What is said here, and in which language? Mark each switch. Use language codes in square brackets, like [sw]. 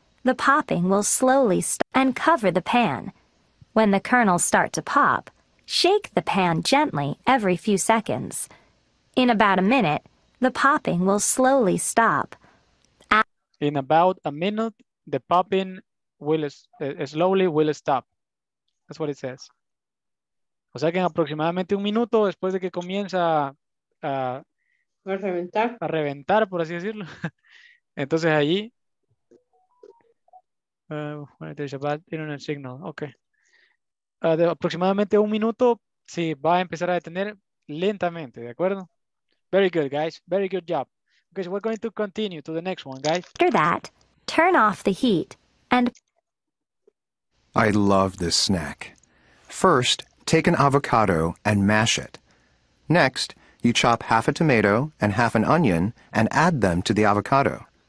[en] The popping will slowly stop and cover the pan. When the kernels start to pop, shake the pan gently every few seconds. In about a minute, the popping will slowly stop. In about a minute, the popping will slowly will stop. That's what it says. [es] O sea que en aproximadamente un minuto después de que comienza a reventar, por así decirlo. Entonces allí. [en] When there's a bad internet signal, okay. [es] De aproximadamente un minuto, sí, va a empezar a detener lentamente, ¿de acuerdo? [en] Very good, guys. Very good job. Okay, so we're going to continue to the next one, guys. After that, turn off the heat and... I love this snack. First, take an avocado and mash it. Next, you chop half a tomato and half an onion and add them to the avocado.